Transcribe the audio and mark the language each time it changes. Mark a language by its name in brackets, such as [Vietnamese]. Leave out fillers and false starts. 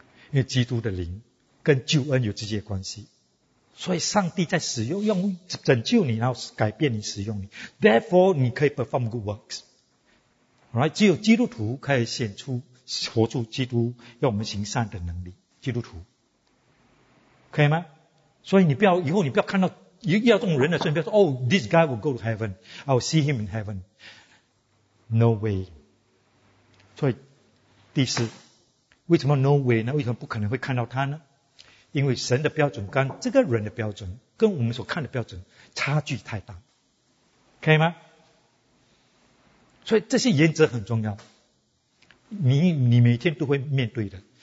[Chinese] 因为基督的灵跟救恩有直接关系，所以上帝在使用用拯救你，然后改变你使用你 ， [English] therefore [Chinese] 你可以 [English] perform good works。 [Chinese] Alright， 只有基督徒可以显出活出基督要我们行善的能力，基督徒可以吗？所以以后你不要看到遇到这种人的时候，你不要说 [English] Oh, this guy will go to heaven, I will see him in heaven. No way. [Chinese] 所以第四，为什么 [English] no way [Chinese] 呢？为什么不可能会看到他呢？因为神的标准跟这个人的标准跟我们所看的标准差距太大，可以吗？所以这些原则很重要，你每天都会面对的。